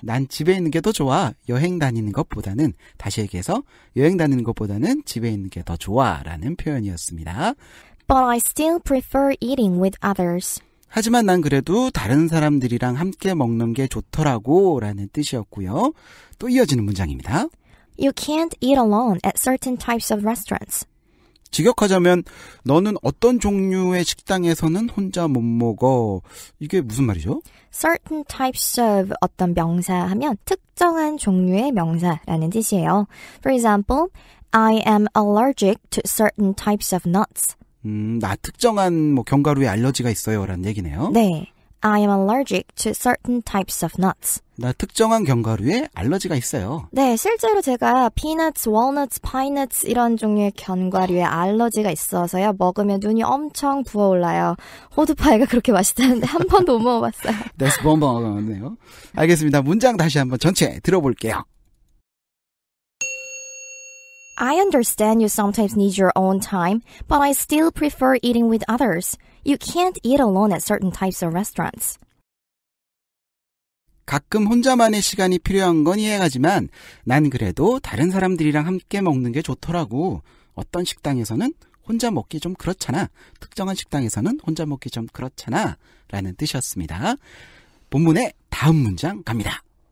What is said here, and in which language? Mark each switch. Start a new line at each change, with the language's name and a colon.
Korean: 난 집에 있는 게 더 좋아, 여행 다니는 것보다는? 다시 얘기해서, 여행 다니는 것보다는 집에 있는 게 더 좋아, 라는 표현이었습니다.
English: But I still prefer eating with others.
Korean: 하지만 난 그래도 다른 사람들이랑 함께 먹는 게 좋더라고 라는 뜻이었고요. 또 이어지는 문장입니다.
English: You can't eat alone at certain types of restaurants.
Korean: 직역하자면 너는 어떤 종류의 식당에서는 혼자 못 먹어. 이게 무슨 말이죠?
English: Certain types of
Korean: 어떤 명사 하면 특정한 종류의 명사라는 뜻이에요.
English: For example, I am allergic to certain types of nuts.
Korean: 나 특정한 뭐 견과류에 알러지가 있어요 라는 얘기네요. 네.
English: I am allergic to certain types of nuts.
Korean: 나 특정한 견과류에 알러지가 있어요. 네. 실제로 제가
English: peanuts, walnuts, pine nuts
Korean: 이런 종류의 견과류에 알러지가 있어서요. 먹으면 눈이 엄청 부어올라요. 호두파이가 그렇게 맛있다는데 한 번도 못 먹어봤어요. 네. 번번 먹었네요. 알겠습니다. 문장 다시 한번 전체 들어볼게요.
English: I understand you sometimes need your own time, but I still prefer eating with others. You can't eat alone at certain types of restaurants.
Korean: 가끔 혼자만의 시간이 필요한 건 이해하지만 난 그래도 다른 사람들이랑 함께 먹는 게 좋더라고. 어떤 식당에서는 혼자 먹기 좀 그렇잖아. 특정한 식당에서는 혼자 먹기 좀 그렇잖아. 라는 뜻이었습니다. 본문의 다음 문장 갑니다.